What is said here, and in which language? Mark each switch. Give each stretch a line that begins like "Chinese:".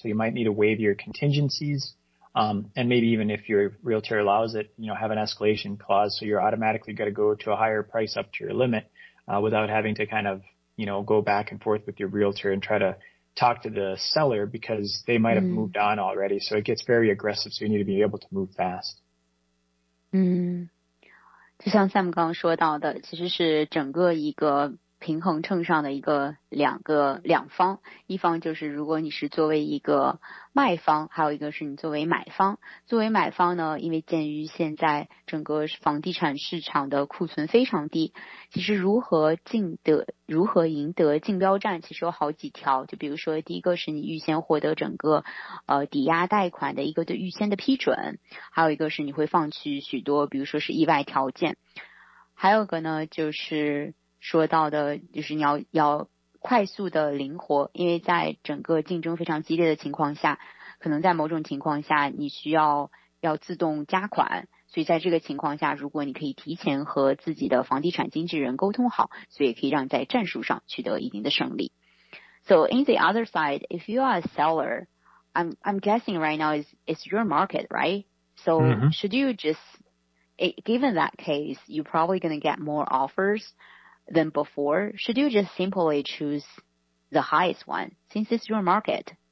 English: So you might need to waive your contingencies. And maybe even if your realtor allows it, you know, have an escalation clause. So you're automatically going to go to a higher price up to your limit, without having to kind of, you know, go back and forth with your realtor and try to talk to the seller because they might have moved on already. So it gets very aggressive. So you need to be able to move fast.
Chinese: 就像 Sam 刚刚说到的，其实是整个一个平衡秤上的一个两方，一方就是如果你是作为一个卖方，还有一个是你作为买方。作为买方呢，因为鉴于现在整个房地产市场的库存非常低，其实如何赢得竞标战，其实有好几条。就比如说，第一个是你预先获得整个抵押贷款的一个的预先的批准，还有一个是你会放弃许多，比如说是意外条件，还有一个呢就是说到的就是你要快速的灵活，因为在整个竞争非常激烈的情况下，可能在某种情况下你需要自动加款，所以在这个情况下，如果你可以提前和自己的房地产经纪人沟通好，所以可以让在战术上取得一定的胜利。
English: So in the other side, if you are a seller, I'm guessing right now is your market, right? So should you just, given that case, you're probably going to get more offers than before, should you just simply choose the highest one since it's your market?